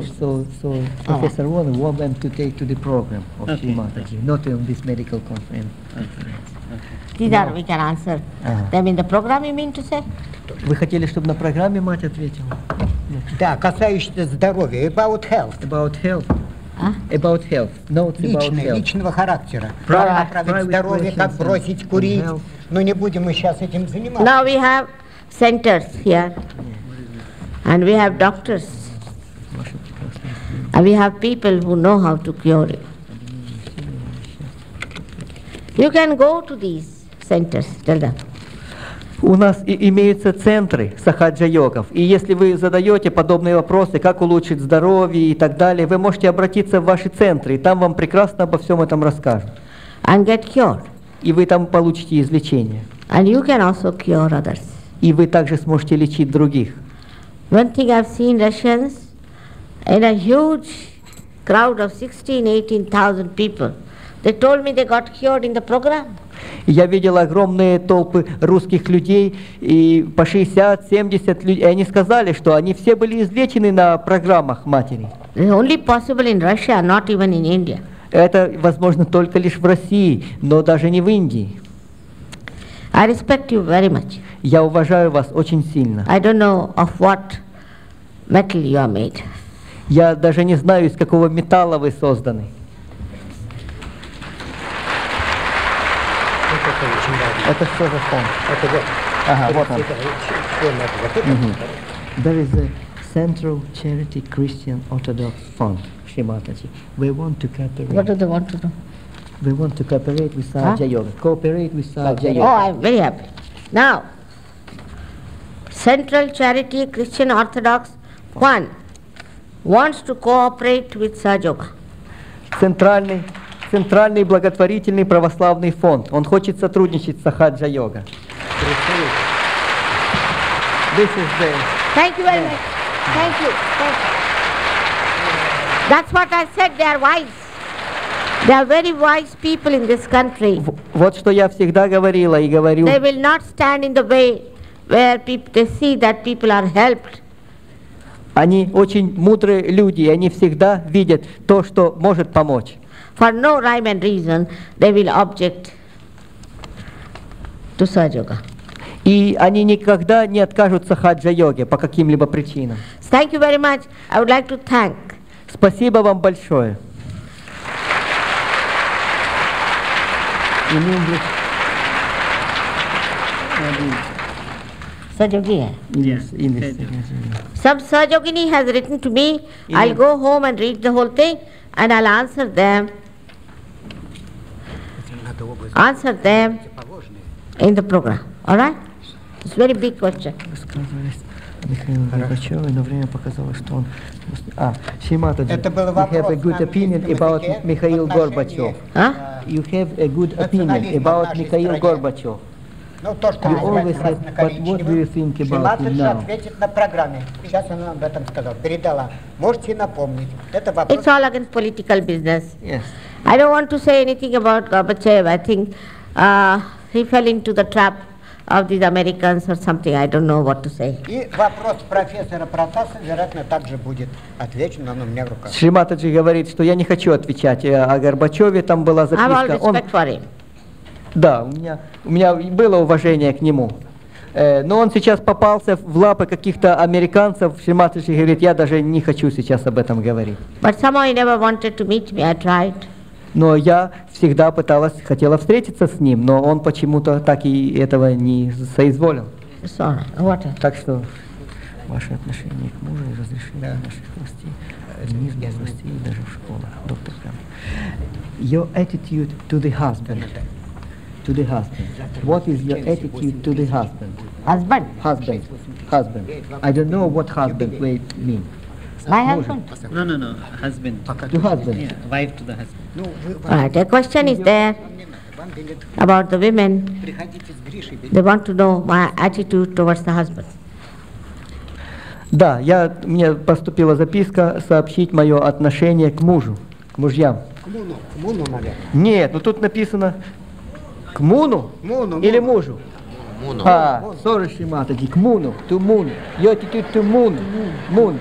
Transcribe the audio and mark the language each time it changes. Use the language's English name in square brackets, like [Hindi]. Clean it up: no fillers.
[English] So Professor Warren want them to take to the program of Shri Mataji, not on this medical conference. These are, we can answer them in the program, you mean to say? [Russian] Вы хотели, чтобы на программе мать ответила? Да, касающееся здоровья. [English] About health. About health. About health. [Russian] Личного характера. Правильно направить здоровье, как бросить курить. Но не будем мы сейчас этим заниматься. [English] Now we have centers here. And we have doctors. And we have people who know how to cure you. You can go to these centers. Tell them. [Russian] У нас имеются центры сахаджа-йогов. И если вы задаете подобные вопросы, как улучшить здоровье и так далее, вы можете обратиться в ваши центры, и там вам прекрасно обо всем этом расскажут. [English] And get cured. [Russian] И вы там получите излечение. [English] And you can also cure others. [Russian] И вы также сможете лечить других. [English] One thing I've seen Russians in a huge crowd of 16-18 thousand people. They told me they got cured in the program. [Russian] Я видел огромные толпы русских людей, и по 60-70 людей, и они сказали, что они все были излечены на программах матери. [English] Only possible in Russia, not even in India. [Russian] Это возможно только лишь в России, но даже не в Индии. [English] I respect you very much. [Russian] Я уважаю вас очень сильно. [English] I don't know of what metal you are made. [Russian] Я даже не знаю, из какого металла вы созданы. Это что за фон? [English] There is a Central Charity Christian Orthodox Fund, Shri Mataji. We want to cooperate. What do they want to do? We want to cooperate with Sahaja Yoga. Cooperate with Sahaja Yoga. Oh, I'm very happy. Now, Central Charity Christian Orthodox Fund wants to cooperate with Sahaja Yoga. [Russian] Центральный благотворительный православный фонд. Он хочет сотрудничать с Сахаджа Йога. [English] This is the. Thank you very much. Thank you. Thank you. That's what I said. They are wise. They are very wise people in this country. [Russian] Вот что я всегда говорила и говорю. [English] They will not stand in the way where they see that people are helped. [Russian] Они очень мудрые люди, и они всегда видят то, что может помочь. [English] For no rhyme and reason, they will object to Sahaja Yoga. [Russian] И они никогда не откажутся Сахаджа Йоге по каким-либо причинам. [English] Thank you very much. I would like to thank. [Russian] Спасибо вам большое. [English] In English. Sahaja Yogi. Yes. Some Sahaja Yogini has written to me. Yes. I'll go home and read the whole thing, and I'll answer them. Answer them in the program. All right? It's a very big question. [Russian] Михаил Горбачев, но время показало, что он... А, Шиматаджи, [English] you have a good opinion about Михаил Горбачев. А? You have a good opinion about Михаил Горбачев. [Russian] Ну, то, что [English] you always said, but what do you think about Шиматаджи him now? [Russian] Шиматаджи ответит на программе. Сейчас она об этом сказала, передала. Можете напомнить. Это вопрос... [English] It's all against political business. Yes. I don't want to say anything about Горбачев. I think he fell into the trap of these Americans or something, I don't know what to say. [Russian] И вопрос профессора Протаса, вероятно, также будет отвечен, но он у меня в руках. Шриматаджи говорит, что я не хочу отвечать о Горбачеве, там была записка. [English] I have all respect он... for him. [Russian] Да, у меня было уважение к нему. Но он сейчас попался в лапы каких-то американцев. Шриматаджи говорит, я даже не хочу сейчас об этом говорить. [English] But somehow he never wanted to meet me, I tried. [Russian] Но я всегда пыталась, хотела встретиться с ним, но он почему-то так и этого не соизволил. Так что ваше отношение к мужу и разрешение наших властей, низких властей, даже в школах, доктор Кам. [English] Your attitude to the husband. To the husband. What is your attitude to the husband? Husband. Husband. Husband. I don't know what husband may mean. My husband? No, no, no. Husband. To husband? Yeah. Wife to the husband. All right. A question is there about the women. They want to know my attitude towards the husband. [Russian] Да, я, мне поступила записка сообщить мое отношение к мужу, к мужьям. К муну, наверное. Нет, но тут написано к муну, муну или мужу. Муну. [English] А, sorry, Шриматаджи, [Russian] к муну, [English] to moon, your attitude to moon, moon,